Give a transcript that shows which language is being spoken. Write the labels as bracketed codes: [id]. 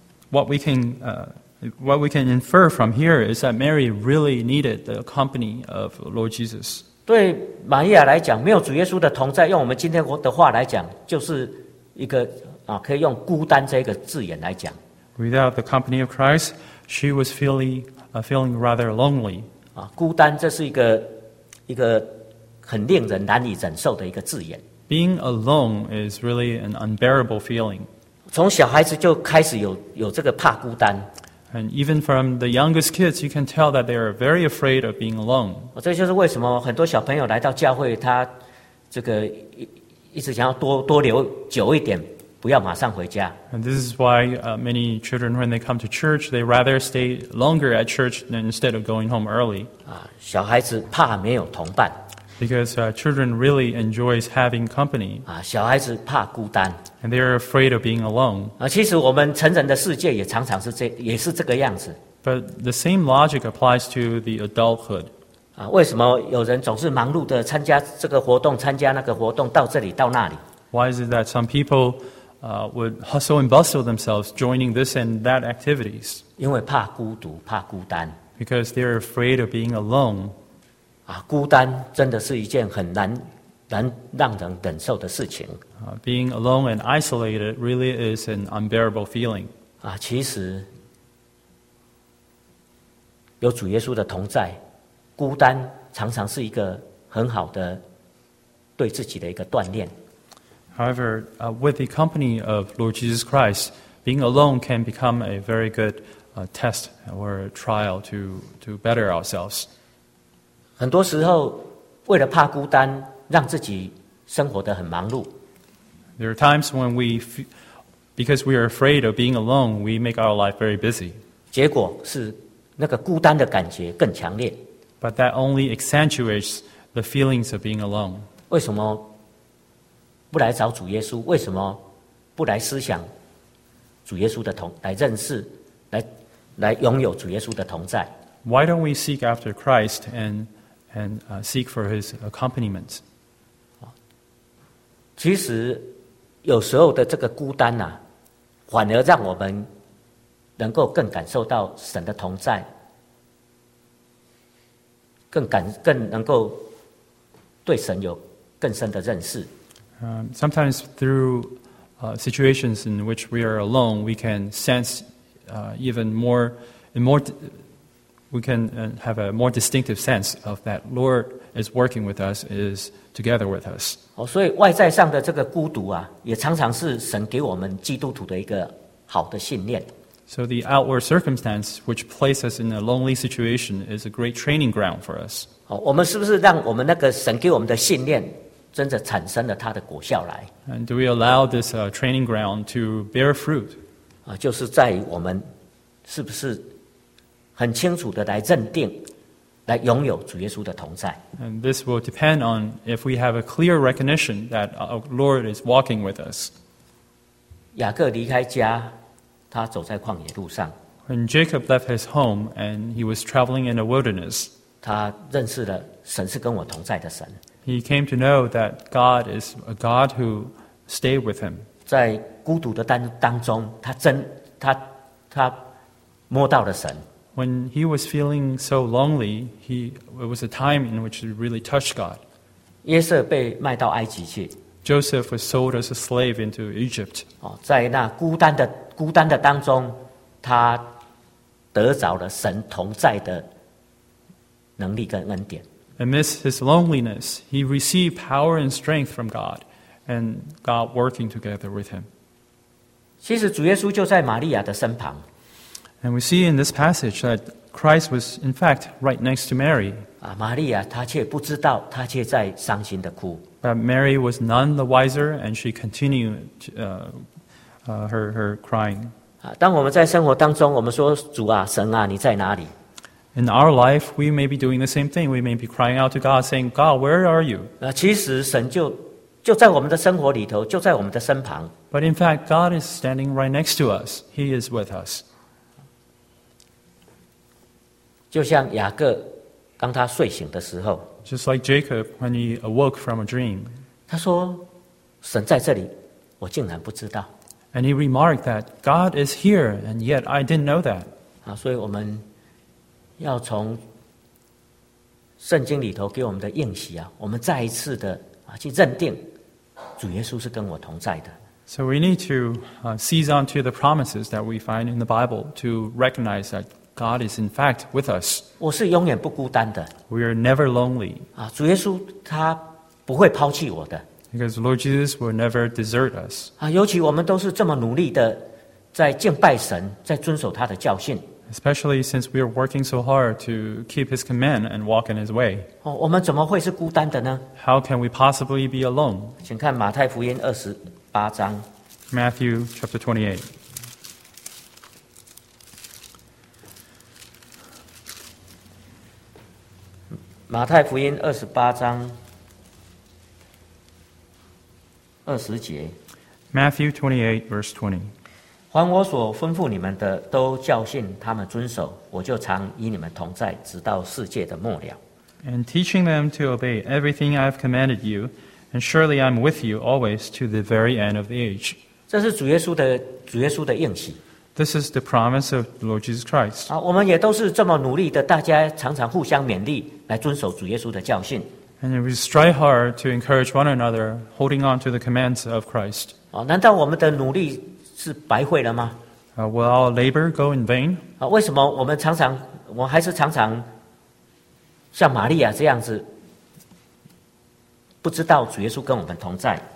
[en] What we can infer from here is that Mary really needed the company of Lord Jesus. [zh] 对玛利亚来讲，没有主耶稣的同在，用我们今天的话来讲，就是一个啊，可以用孤单这个字眼来讲。 [en] Without the company of Christ, she was feeling rather lonely. [zh] 啊，孤单这是一个很令人难以忍受的一个字眼。 [en] Being alone is really an unbearable feeling. [zh] 从小孩子就开始有这个怕孤单。 [en] And even from the youngest kids, you can tell that they are very afraid of being alone. [zh] 这就是为什么很多小朋友来到教会，他这个一直想要多留久一点，不要马上回家。 [en] And this is why many children, when they come to church, they rather stay longer at church than instead of going home early. [zh] 小孩子怕没有同伴。 [en] Because children really enjoys having company. [zh] 啊，小孩子怕孤单。 [en] And they are afraid of being alone. [zh] 啊，其实我们成人的世界也常常是这个样子。 [en] But the same logic applies to the adulthood. [zh] 啊，为什么有人总是忙碌的参加这个活动，参加那个活动，到这里，到那里？ [en] Why is it that some people would hustle and bustle themselves joining this and that activities? [zh] 因为怕孤独，怕孤单。 [en] Because they're afraid of being alone. [zh] 啊，孤单真的是一件很难让人忍受的事情。 [en] Being alone and isolated really is an unbearable feeling. [zh] 啊，其实有主耶稣的同在，孤单常常是一个很好的对自己的一个锻炼。 [en] However, with the company of Lord Jesus Christ, being alone can become a very good test or trial to better ourselves. [zh] 很多时候，为了怕孤单，让自己生活得很忙碌。 [en] There are times when because we are afraid of being alone, we make our life very busy. [zh] 结果是那个孤单的感觉更强烈。 [en] But that only accentuates the feelings of being alone. [zh] 为什么不来找主耶稣？为什么不来思想主耶稣的同，来认识，来拥有主耶稣的同在？ [en] Why don't we seek after Christ and seek for his accompaniment? [zh] 其实有时候的这个孤单啊，反而让我们能够更感受到神的同在，更能够对神有更深的认识。 [en] Sometimes through situations in which we are alone, we can sense have a more distinctive sense of that Lord is working with us, is together with us. [zh] 所以外在上的这个孤独啊，也常常是神给我们基督徒的一个好的训练。 [en] So the outward circumstance which places us in a lonely situation is a great training ground for us. [zh] 我们是不是让我们那个神给我们的训练真的产生了它的果效来？ [en] And do we allow this training ground to bear fruit? [zh] 就是在于我们是不是很清楚的来认定，来拥有主耶稣的同在。 [en] And this will depend on if we have a clear recognition that our Lord is walking with us. [zh] 雅各离开家，他走在旷野路上。 [en] When Jacob left his home and he was traveling in the wilderness, [zh] 他认识了神是跟我同在的神。 [en] He came to know that God is a God who stayed with him. [zh] 在孤独的当中，他摸到了神。 [en] When he was feeling so lonely, it was a time in which he really touched God. [zh] 约瑟被卖到埃及去。 [en] Joseph was sold as a slave into Egypt. [zh] 在那孤单的当中，他得着了神同在的能力跟恩典。 [en] Amidst his loneliness, he received power and strength from God, and God working together with him. [zh] 其实主耶稣就在玛利亚的身旁。 [en] And we see in this passage that Christ was, in fact, right next to Mary. [zh] 玛利亚她却不知道，她却在伤心的哭。 [en] But Mary was none the wiser, and she continued her crying. [zh] 当我们在生活当中，我们说主啊，神啊，你在哪里？ [en] In our life, we may be doing the same thing. We may be crying out to God, saying, God, where are you? [zh] 其实神就在我们的生活里头，就在我们的身旁。 [en] But in fact, God is standing right next to us. He is with us. [zh] 就像雅各当他睡醒的时候， [en] Just like Jacob when he awoke from a dream. [zh] 他说，神在这里，我竟然不知道。 [en] And he remarked that God is here, and yet I didn't know that. [zh] 所以我们要从圣经里头给我们的应许啊，我们再一次的去认定主耶稣是跟我同在的。 [en] So we need to seize on to the promises that we find in the Bible to recognize that God is in fact with us. [zh] 我是永远不孤单的。 [en] We are never lonely. [zh] 主耶稣他不会抛弃我的。 [en] Because Lord Jesus will never desert us. [zh] 尤其我们都是这么努力的在敬拜神，在遵守他的教训。 [en] Especially since we are working so hard to keep his command and walk in his way. [zh] 我们怎么会是孤单的呢？ [en] How can we possibly be alone? [zh] 请看马太福音二十八章。 [en] Matthew chapter 28. [zh] 马太福音二十八章二十节。 [en] Matthew 28 verse 20. [zh] 凡我所吩咐你们的，都教训他们遵守，我就常与你们同在，直到世界的末了。 [en] And teaching them to obey everything I have commanded you, and surely I'm with you always to the very end of the age. [zh] 这是主耶稣的应许。 [en] This is the promise of the Lord Jesus Christ. [zh] 我们也都是这么努力的，大家常常互相勉励，来遵守主耶稣的教训。 [en] And we strive hard to encourage one another, holding on to the commands of Christ. [zh] 难道我们的努力是白费了吗？ [en] Will our labor go in vain? [zh] 为什么我还是常常像玛利亚这样子，不知道主耶稣跟我们同在？